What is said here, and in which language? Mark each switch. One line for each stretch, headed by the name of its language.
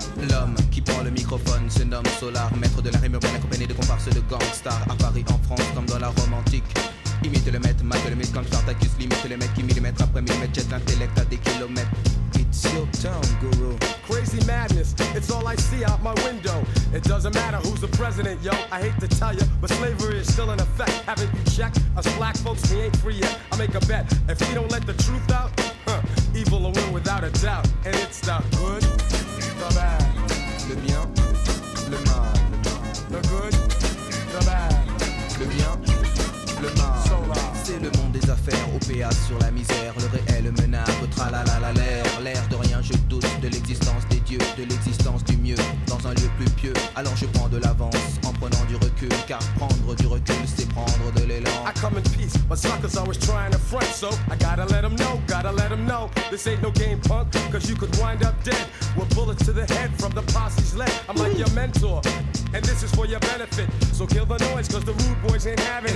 French: L'homme qui prend le microphone se nomme Solar, maître de la rime urbaine accompagné de comparses de gangstar. À Paris, en France, comme dans la Rome antique. Imite le maître, mate le mythe comme Spartacus. Limite le maître qui millimètre après millimètre jette l'intellect à des kilomètres.
English: It's your town, guru. Crazy madness, it's all I see out my window. It doesn't matter who's the president, yo. I hate to tell you, but slavery is still in effect. Haven't you checked? Us black folks, we ain't free yet. I make a bet, if we don't let the truth out, evil will win without a doubt. And it's the good, the bad.
French: Le bien, le mal.
English: The good, the bad.
French: Le bien, le mal. C'est le monde des affaires, OPA sur la misère. Le réel menace, tralalala l'air. L'air de rien, je doute de l'existence des dieux. De l'existence du mieux, dans un lieu plus pieux. Alors je prends de l'avance, en prenant du recul. Car prendre du recul, c'est prendre de l'élan.
English: I come in peace, but suckers always trying to front. So I gotta let them know this ain't no game punk, cause you could wind up dead. With bullets to the head from the posse's leg. I'm like your mentor, and this is for your benefit. So kill the noise, cause the rude boys ain't having it.